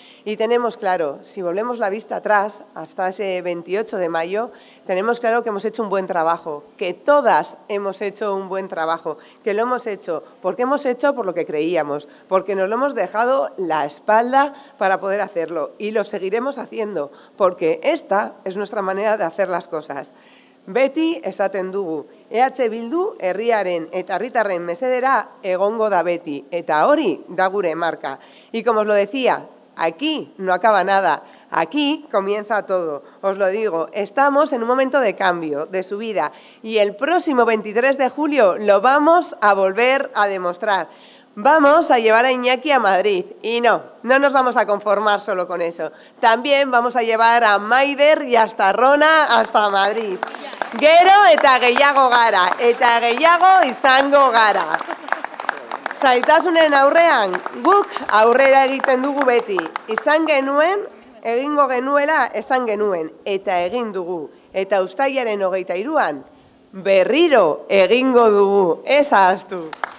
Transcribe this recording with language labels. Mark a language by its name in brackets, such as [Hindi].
[Spanish] Y tenemos claro, si volvemos la vista atrás, hasta ese 28 de mayo, tenemos claro que hemos hecho un buen trabajo, que todas hemos hecho un buen trabajo, que lo hemos hecho porque hemos hecho por lo que creíamos, porque nos lo hemos dejado la espalda para poder hacerlo y lo seguiremos haciendo, porque esta es nuestra manera de hacer las cosas. [Basque] Beti esaten dugu, EH Bildu herriaren eta herritarren mesedera egongo da beti, eta hori da gure marka. [Spanish] Y como os lo decía, aquí no acaba nada, aquí comienza todo. Os lo digo, estamos en un momento de cambio, de subida, y el próximo 23 de julio lo vamos a volver a demostrar. Vamos a llevar a Iñaki a Madrid, y no nos vamos a conformar solo con eso. También vamos a llevar a Maider y hasta Rona hasta Madrid. [Basque] Gero eta gehiago gara, eta gehiago izango gara. Zailtasunen aurrean, guk aurrera egiten dugu beti. Izan genuen, egingo genuela, esan genuen, eta egin dugu. Eta uztailaren 23an, berriro egingo dugu, ez ahaztu.